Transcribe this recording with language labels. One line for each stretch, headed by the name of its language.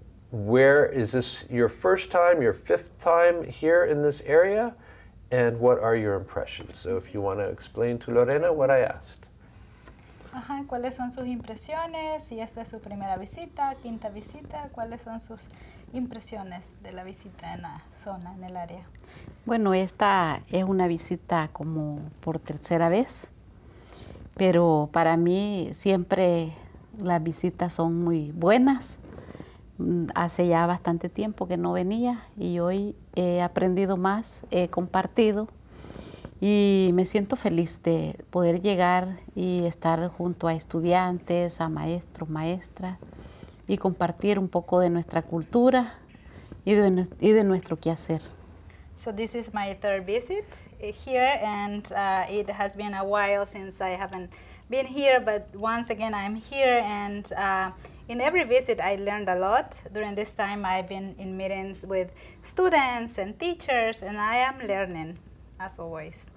English: Where is this your first time, your fifth time here in this area? And what are your impressions? So if you want to explain to Lorena what I asked.
Spanish: Ajá, ¿cuáles son sus impresiones? Si esta es su primera visita, quinta visita, ¿cuáles son sus impresiones de la visita en la zona, en el área? Bueno, esta es una visita como por tercera vez, pero para mí siempre las visitas son muy buenas. Hace ya bastante tiempo que no venía y hoy he aprendido más, he compartido. Y me siento feliz de poder llegar y estar junto a estudiantes, a maestros, maestras, y compartir un poco de nuestra cultura y de nuestro quehacer.
English: So this is my third visit here, and it has been a while since I haven't been here, but once again I'm here, and in every visit I learned a lot. During this time I've been in meetings with students and teachers, and I am learning, as always.